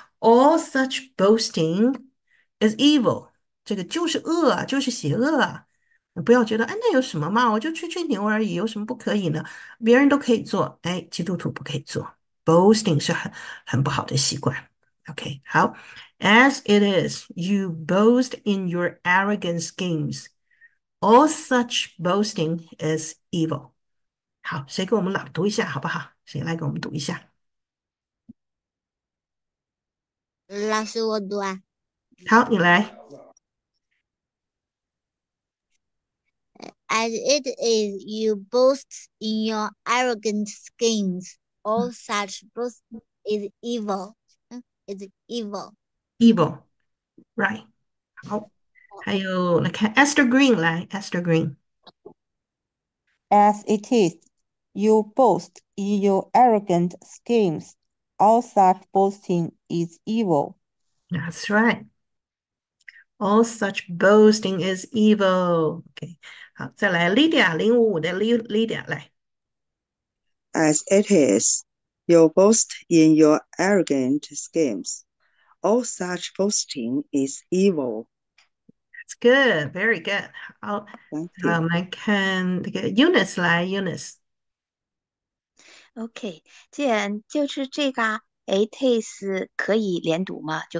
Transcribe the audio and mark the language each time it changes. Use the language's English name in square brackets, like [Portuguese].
[English] All such boasting is evil， [Chinese] 这个就是恶啊，就是邪恶啊。你不要觉得，哎，那有什么嘛，我就吹吹牛而已，有什么不可以呢？别人都可以做，哎，基督徒不可以做。Boasting 是很不好的习惯。 OK，好。 [English] As it is, you boast in your arrogant schemes. All such boasting is evil. [Chinese] 好，谁给我们朗读一下，好不好？谁来给我们读一下？老师，我读啊。好，你来。 [English] As it is, you boast in your arrogant schemes. All such boast is evil. Is evil. Evil, right？ [Chinese] 好，还有，来看 Esther Green，来，Esther Green。 [English] As it is, you boast in your arrogant schemes. All such boasting is evil. That's right. All such boasting is evil. Okay. [Chinese] 好，再来，Lydia 055的 Lydia 来。 [English] As it is, you boast in your arrogant schemes. All such boasting is evil. That's good. Very good. 好， Thank [Chinese] 我 [English] you. [Chinese] 们看这个 Eunice 来，Eunice。 OK，既然就是这个 it is 可以连读吗？